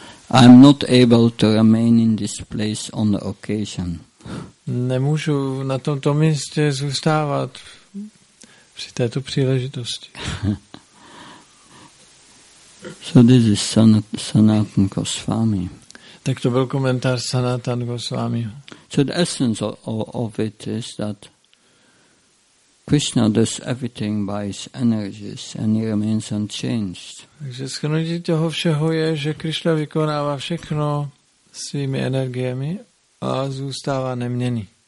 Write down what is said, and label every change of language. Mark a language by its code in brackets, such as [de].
[en] I am not able to remain in this place on the occasion. [cs] Nemůžu na tomto místě zůstávat při této příležitosti. [en] So this is Sanatana Goswami. [cs] Tak to byl komentář Sanatana Goswami. [en] So the essence of it is that Krishna does everything by his energies and he remains unchanged. [cs] Takže shrnutí toho všeho je, že Krishna vykonává všechno svými energiemi a zůstává neměný.